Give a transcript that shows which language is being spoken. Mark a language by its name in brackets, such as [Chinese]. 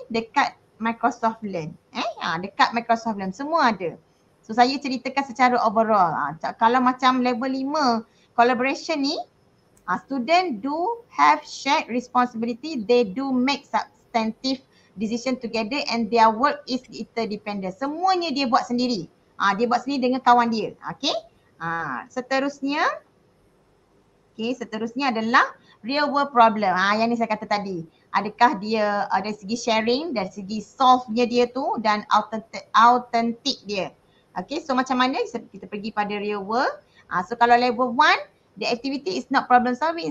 [Malay] Dekat Microsoft Learn. Dekat Microsoft Learn semua ada. So saya ceritakan secara overall. Kalau macam [English] level 5 collaboration ni, student do have shared responsibility, they do make substantive decision together and their work is interdependent. [Malay] Semuanya dia buat sendiri. Dia buat sendiri dengan kawan dia. Okay. Seterusnya. Okay, seterusnya adalah real world problem. Yang ni saya kata tadi. Adakah dia dari segi sharing, dari segi solve-nya dia tu dan authentic dia. Okay, so macam mana kita pergi pada real world. [English] So kalau level 1, the activity is not problem solving.